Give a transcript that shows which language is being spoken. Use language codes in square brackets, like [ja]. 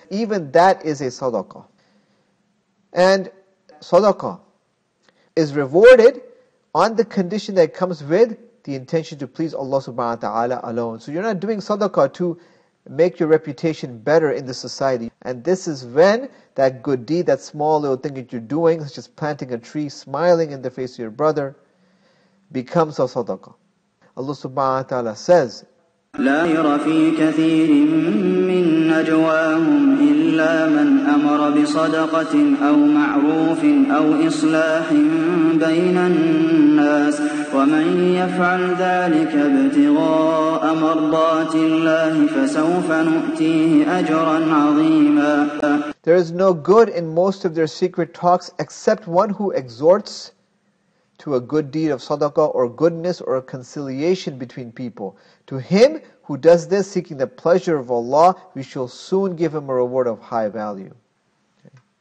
[en] Even that is a sadaqah. And sadaqah is rewarded on the condition that it comes with the intention to please Allah subhanahu wa ta'ala alone. So you're not doing sadaqah to make your reputation better in the society. And this is when that good deed, that small little thing that you're doing, such as planting a tree, smiling in the face of your brother, becomes a sadaqah. Allah subhanahu wa ta'ala says, [ar] لا خير في كثير من نجواهم إلا من أمر بصدقة أو معروف أو إصلاح بين الناس ومن يفعل ذلك ابتغاء مرضات الله فسوف نؤتيه أجرا عظيما. [en] There is no good in most of their secret talks except one who exhorts to a good deed of sadaqah or goodness or a conciliation between people. To him who does this, seeking the pleasure of Allah, we shall soon give him a reward of high value. Okay.